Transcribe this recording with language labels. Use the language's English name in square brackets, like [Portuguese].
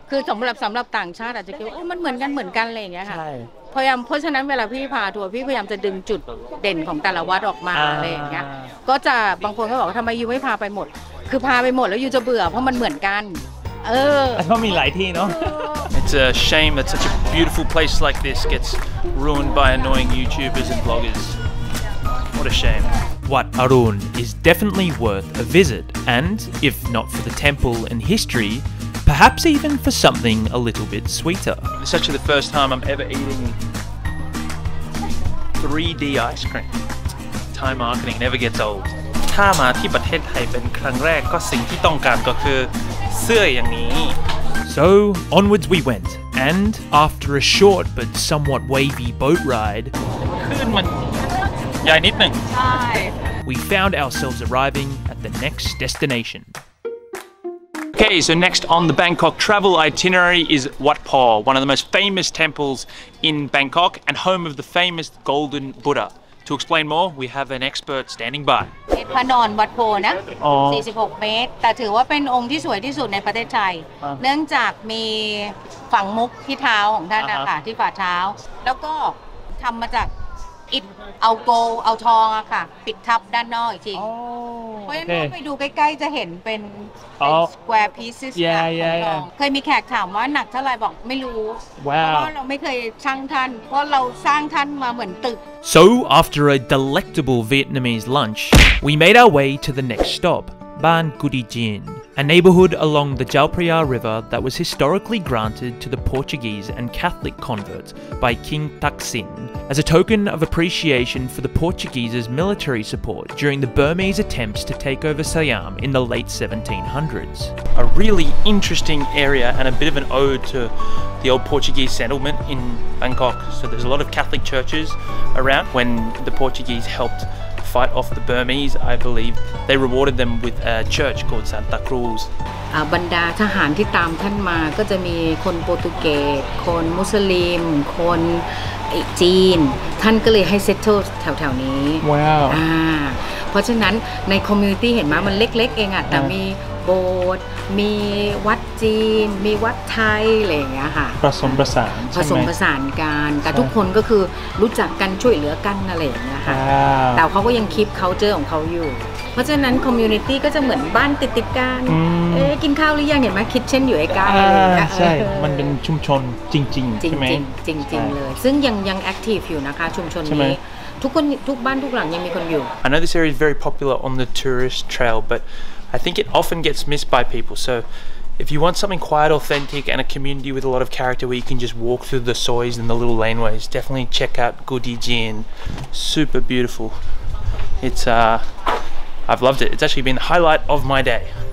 [Thai] คือสำหรับต่างชาติอาจจะคิดว่ามันเหมือนกันเหมือนกันอะไรอย่างเงี้ยค่ะ ใช่เพราะฉะนั้นเวลาพี่พาทัวร์พี่พยายามจะดึงจุดเด่นของแต่ละวัดออกมาอะไรอย่างเงี้ยก็จะบางคนก็บอกว่าทำไมยูไม่พาไปหมดคือพาไปหมดแล้วยูจะเบื่อเพราะมันเหมือนกันเออ เพราะมีหลายที่เนาะ [English] It's a shame that such a beautiful place like this gets ruined by annoying YouTubers and bloggersWhat a shame. Wat Arun is definitely worth a visit, and if not for the temple and history, perhaps even for something a little bit sweeter. It's actually the first time I'm ever eating 3D ice cream. Thai marketing never gets old. [Thai] ถ้ามาที่ประเทศไทยเป็นครั้งแรกก็สิ่งที่ต้องการก็คือเสื้ออย่างนี้ [English] So onwards we went, and after a short but somewhat wavy boat ride, [Thai] ขึ้นมันใหญ่นิดหนึ่ง ใช่ [English] We found ourselves arriving at the next destination. Okay, so next on the Bangkok travel itinerary is Wat Por, one of the most famous temples in Bangkok and home of the famous Golden Buddha. To explain more, we have an expert standing by. [Thai] พระนอนวัดโพนะ46เมตรแต่ถือว่าเป็นองค์ที่สวยที่สุดในประเทศไทยเนื่องจากมีฝังมุกที่เท้าของท่านนะคะที่ฝ่าเท้าแล้วก็ทำมาจากอิฐเอาโกลเอาทองอะค่ะปิดทับด้านนอกจริงเพราะฉะนั้นพอไปดูใกล้ๆจะเห็นเป็น [English] square pieces [Thai] ของ เคยมีแขกถามว่าหนักเท่าไหร่บอกไม่รู้ [English] wow. [Thai] เพราะว่าเราไม่เคยชั่งท่านเพราะเราสร้างท่านมาเหมือนตึก [English] So after a delectable Vietnamese lunch we made our way to the next stop Ban Gudi Jin a neighborhood along the Jao Phraya River that was historically granted to the Portuguese and Catholic converts by King Thaksin as a token of appreciation for the Portuguese's military support during the Burmese attempts to take over Siam in the late 1700s. A really interesting area and a bit of an ode to the old Portuguese settlement in Bangkok. So there's a lot of Catholic churches around when the Portuguese helpedfight off the Burmese I believe they rewarded them with a church called Santa Cruz [Thai] บรรดาทหารที่ตามท่านมาก็จะมีคนโปรตุเกสคนมุสลิมคนจีนท่านก็เลยให้ settle แถวๆนี้ wow เพราะฉะนั้นใน community เห็นมั้ยมันเล็กๆเองอ่ะแต่มีโบสถ์มีวัดจีนมีวัดไทยอะไรอย่างเงี้ยค่ะ ผสมประสาน ผสมประสานกันแต่ทุกคนก็คือรู้จักกันช่วยเหลือกันอะไรอย่างเงี้ยค่ะแต่เขาก็ยังคีปคัลเจอร์ของเขาอยู่เพราะฉะนั้นค อม มูนิตี้ก็จะเหมือนบ้านติดกันเอ๊ะกินข้าวหรือยังเห็นมั้ยคิทเช่นอยู่ไอ้กลางอะไรอย่างเงี้ยใช่มันเป็นชุมชนจริงๆใช่ไหม จริงๆเลยซึ่งยังแอคทีฟอยู่นะคะชุมชนนี้ทุกบ้านทุกหลังยังมีคนอยู่ [English] I know this area is very popular on the tourist trail butI think it often gets missed by people. So if you want something quiet, authentic, and a community with a lot of character where you can just walk through the sois and the little laneways, definitely check out Gudi Jin. Super beautiful. It's, I've loved it. It's actually been the highlight of my day.